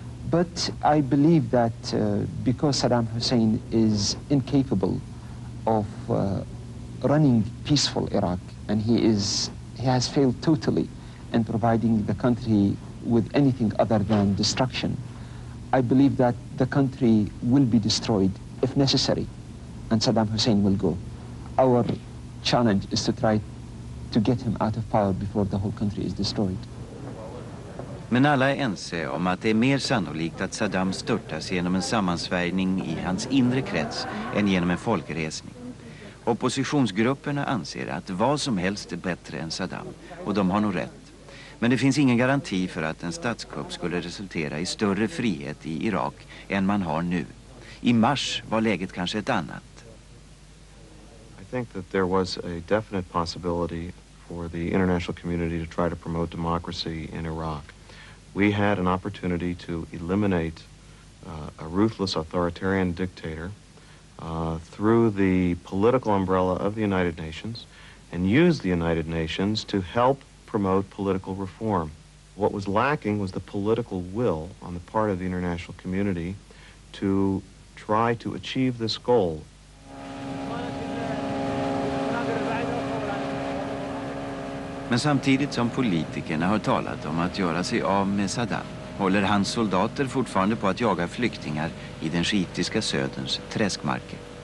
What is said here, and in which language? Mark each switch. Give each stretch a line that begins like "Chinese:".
English: But I believe that because Saddam Hussein is incapable of running peaceful Iraq, and he has failed totally in providing the country with anything other than destruction, I believe that the country will be destroyed if necessary. And Saddam Hussein will go. Our challenge is to try to get him out of power before the whole country is destroyed.
Swedish: Men alla är ense om att det är mer sannolikt att Saddam störtas genom en sammansvärjning i hans inre krets än genom en folkresning. Oppositionsgrupperna anser att vad som helst är bättre än Saddam, och de har nog rätt. Men det finns ingen garanti för att en statskupp skulle resultera i större frihet i Irak än man har nu. I mars var läget kanske ett annat.
English: I think that there was a definite possibility for the international community to try to promote democracy in Iraq. We had an opportunity to eliminate a ruthless authoritarian dictator through the political umbrella of the United Nations and use the United Nations to help promote political reform. What was lacking was the political will on the part of the international community to try to achieve this goal.
Swedish: Men samtidigt som politikerna har talat om att göra sig av med Saddam håller hans soldater fortfarande på att jaga flyktingar i den shiitiska söderns träskmarker.